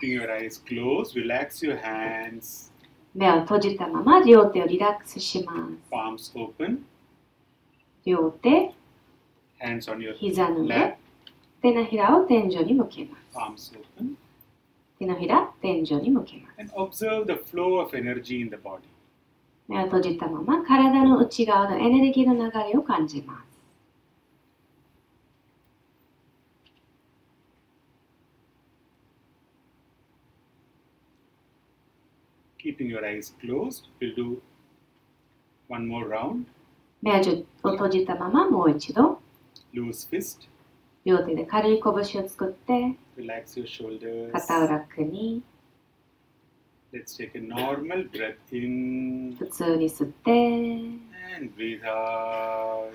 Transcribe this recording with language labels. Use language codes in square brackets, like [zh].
[en] Keeping your eyes closed, relax your hands. [ja] 目を閉じたまま両手をリラックスします。 [en] Palms open. [ja] 両手、 [en] Hands on your [ja] 膝の上、手のひらを天井に向けます。 [en] Palms open. [ja] 手のひら、天井に向けます。 [en] And observe the flow of energy in the body. [ja] 目を閉じたまま体の内側のエネルギーの流れを感じます。 [en] Keeping your eyes closed, we'll do one more round. [ja] 目を閉じたままもう一度。 [en] Loose fist. [ja] 両手で軽い拳を作って。 [en] Relax your shoulders. [ja] 肩を楽に。 [en] Let's take a normal breath in. [ja] 普通に吸って。 [en] And breathe out.